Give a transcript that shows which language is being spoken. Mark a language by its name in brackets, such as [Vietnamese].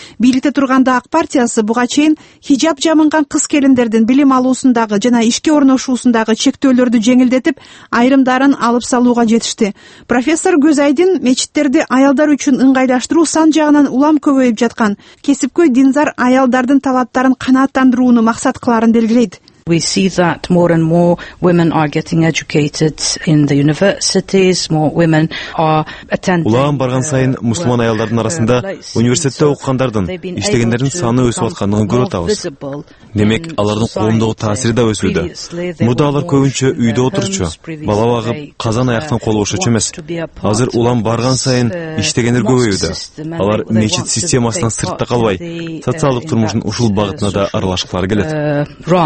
[Kyrgyz] Бийликте турганда ак партиясы буга чейин хижаб жамынган кыз келиндердин билим алуусундагы жана ишке орношуусундагы чектөөлөрдү жеңилдетип, айрымдарын алып салууга жетишти. Профессор Гүзайдин мечиттерди аялдар үчүн ыңгайлаштыруу сан жагынан улам көбөйүп жаткан кесипкөй динзар аялдардын талаптарын канааттандырууну максат кыларын белгилейт. [English] We see that more and more women are getting educated in the universities, more women are attending. [Kyrgyz] Улаан барган сайын мусулман аялдардын арасында университетте окугандардын, иштегендердин саны өсүп аткандыгын көрүп атабыз. Демек, алардын коомдогу таасири да өсүүдө. Мурда алар көбүнчө үйдө отурчу, бала багып, казан аяктан кол болушчу эмес. Азыр улам барган сайын иштегендер көбөйүүдө. Алар мечит системасынан сыртта калбай, социалдык турмуштун ушул багытына да аралашкылары келет.